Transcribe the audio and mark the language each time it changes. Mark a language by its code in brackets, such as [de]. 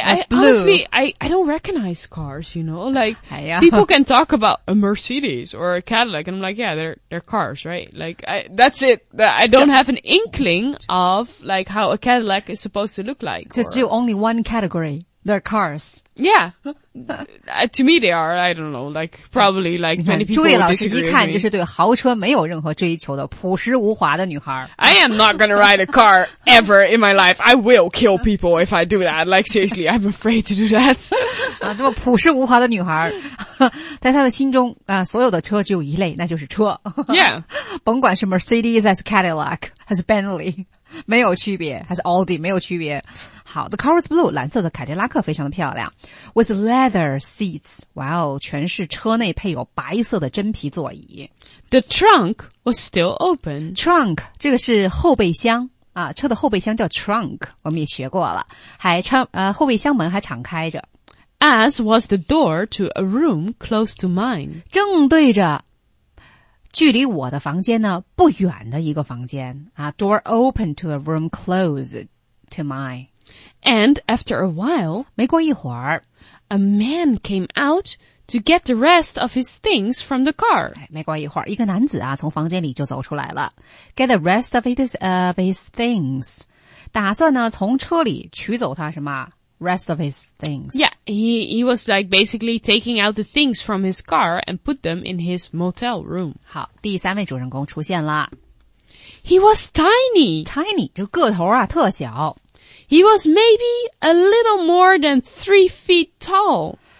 [en] I honestly don't recognize cars, you know, like, people can talk about a Mercedes or a Cadillac, and I'm like, yeah, they're cars, right? Like, that's it. I don't have an inkling of, like, how a Cadillac is supposed to look like. Just do only one category. They're cars. Yeah. To me, they are, I don't know, like, probably, like, many people will disagree with me. [zh] 朱毅老师一看就是对豪车没有任何追求的朴实无华的女孩。 [en] I am not going to ride a car ever in my life. I will kill people if I do that. Like, seriously, I'm afraid to do that. [zh] 这么朴实无华的女孩，在她的心中，所有的车只有一类，那就是车。 [en] Yeah. [zh] 甭管是 Mercedes, as Cadillac, as Bentley, 没有区别 ,as Audi, 没有区别。好 , [en] the car was blue, [zh] 蓝色的凯迪拉克非常的漂亮。 [en] With leather seats, [zh] 哇哦，全是车内配有白色的真皮座椅。 [en] The trunk was still open. [zh] Trunk, 这个是后备箱啊，车的后备箱叫 trunk, 我们也学过了。后备箱门还敞开着。 [en] As was the door to a room close to mine. [zh] 正对着距离我的房间呢不远的一个房间啊 , [en] door open to a room close to mine. And after a while, [zh] 没过一会儿, [en] a man came out to get the rest of his things from the car. [zh] 没过一会儿,一个男子啊,从房间里就走出来了。 [en] Get the rest of his things. [zh] 打算呢,从车里取走他什么? [en] Rest of his things. Yeah, he was like basically taking out the things from his car and put them in his motel room. [zh] 好,第三位主人公出现了。 [en] He was tiny. [zh] Tiny, 就个头啊,特小。 [en] He was maybe a little more than 3 feet tall.